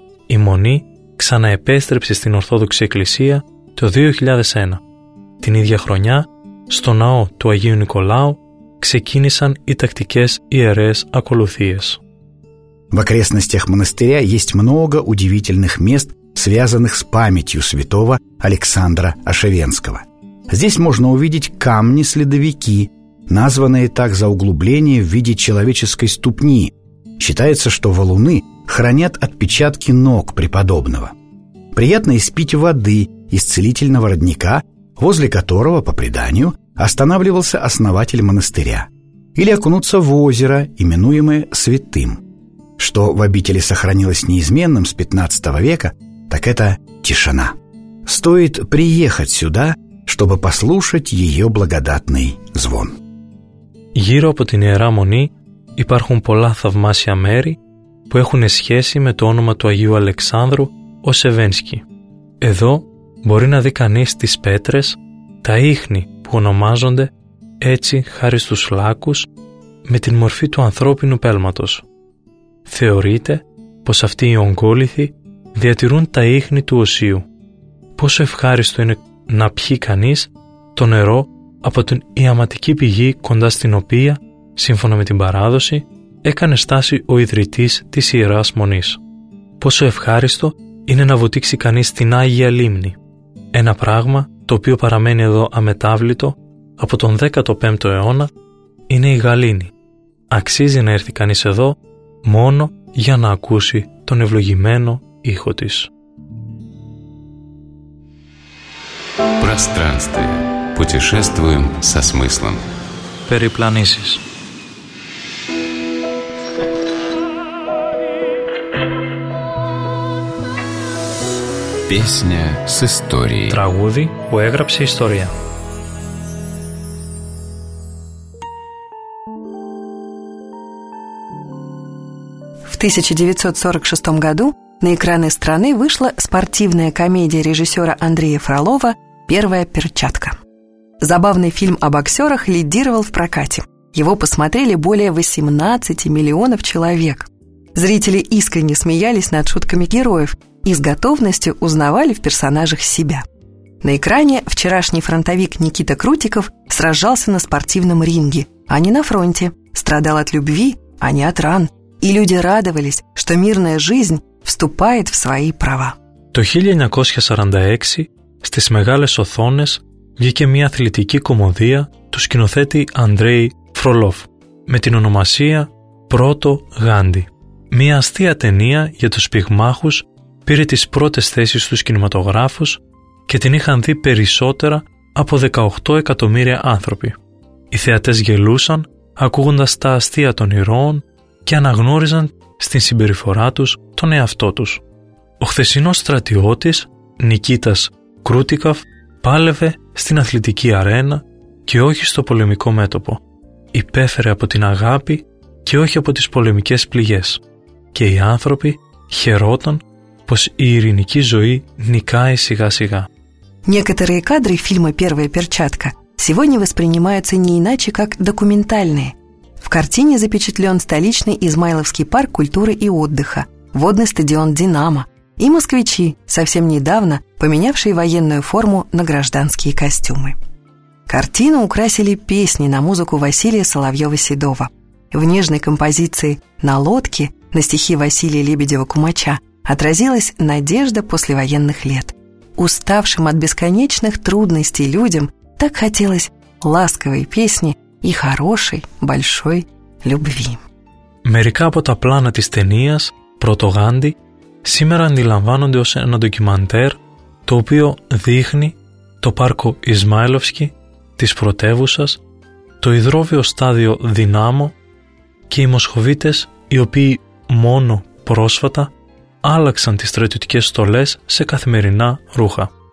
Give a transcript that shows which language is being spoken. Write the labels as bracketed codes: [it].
[el] Η μονή ξαναεπέστρεψε στην Ορθόδοξη Εκκλησία το 2001. Την ίδια χρονιά, στο ναό του Αγίου Νικολάου ξεκίνησαν οι τακτικές ιερές ακολουθίες. [ru] В окрестностях монастыря есть много удивительных мест, связанных с памятью святого Александра Ашевенского. Здесь можно увидеть камни-следовики, названные так за углубление в виде человеческой ступни. Считается, что валуны хранят отпечатки ног преподобного. Приятно испить воды из целительного родника, возле которого, по преданию, останавливался основатель монастыря, или окунуться в озеро, именуемое Святым. Что в обители сохранилось неизменным с 15 века, так это тишина. Стоит приехать сюда, чтобы послушать ее благодатный звон. [el] Γύρω από την Ιερά Μονή υπάρχουν πολλά θαυμάσια μέρη που έχουν σχέση με το όνομα του Αγίου Αλεξάνδρου Οσεβένσκι. Εδώ μπορεί να δει κανείς τις πέτρες, τα ίχνη που ονομάζονται έτσι χάρη στους λάκους με την μορφή του ανθρώπινου πέλματος. Θεωρείται πως αυτοί οι ογκόληθοι διατηρούν τα ίχνη του οσίου. Πόσο ευχάριστο είναι να πιει κανείς το νερό από την ιαματική πηγή κοντά στην οποία, σύμφωνα με την παράδοση, έκανε στάση ο ιδρυτής της Ιεράς Μονής. Πόσο ευχάριστο είναι να βουτήξει κανείς την Άγια Λίμνη. Ένα πράγμα το οποίο παραμένει εδώ αμετάβλητο από τον 15ο αιώνα είναι η γαλήνη. Αξίζει να έρθει κανείς εδώ μόνο για να ακούσει τον ευλογημένο ήχο της. [ru] Пространстве. Путешествуем со смыслом. Перепланисис. Песня с историей. [el] Трагуди, у эграпси история. [ru] В 1946 году на экраны страны вышла спортивная комедия режиссера Андрея Фролова «Первая перчатка». Забавный фильм о боксерах лидировал в прокате. Его посмотрели более 18 миллионов человек. Зрители искренне смеялись над шутками героев и с готовностью узнавали в персонажах себя. На экране вчерашний фронтовик Никита Крутиков сражался на спортивном ринге, а не на фронте, страдал от любви, а не от ран. И люди радовались, что мирная жизнь вступает в свои права. [el] То 1946 στις μεγάλες οθόνες βγήκε μια αθλητική κομμωδία του σκηνοθέτη Αντρέι Φρολόφ με την ονομασία «Πρώτο Γάντι». Μια αστεία ταινία για τους πυγμάχους πήρε τις πρώτες θέσεις στους κινηματογράφους και την είχαν δει περισσότερα από 18 εκατομμύρια άνθρωποι. Οι θεατές γελούσαν ακούγοντας τα αστεία των ηρώων και αναγνώριζαν στην συμπεριφορά τους τον εαυτό τους. Ο χθεσινός στρατιώτης Νικήτας Κρούτικαφ πάλευε στην αθλητική αρένα και όχι στο πολεμικό μέτωπο. υπέφερε από την αγάπη και όχι από τις πολεμικές πληγές. Και οι άνθρωποι χαιρόταν πως η ειρηνική ζωή νικάει σιγά σιγά. [ru] Некоторые кадры фильма «Первая перчатка» сегодня воспринимаются не иначе, как документальные. В картине запечатлен столичный Измайловский парк культуры и отдыха, водный стадион «Динамо» и москвичи, совсем недавно поменявшие военную форму на гражданские костюмы. Картину украсили песни на музыку Василия Соловьева-Седова. В нежной композиции «На лодке» на стихи Василия Лебедева-Кумача отразилась надежда послевоенных лет. Уставшим от бесконечных трудностей людям так хотелось ласковой песни и хорошей, большой любви. [el] Μερικά από τα πλάνα της ταινίας «Πρωτογάντη» σήμερα αντιλαμβάνονται ως ένα ντοκιμαντέρ το οποίο δείχνει το πάρκο Ισμάιλοφσκι της πρωτεύουσας, το υδρόβιο στάδιο «Δυνάμο» και οι μοσχοβίτες οι οποίοι μόνο πρόσφατα άλλαξαν τις στρατιωτικές στολές σε καθημερινά ρούχα.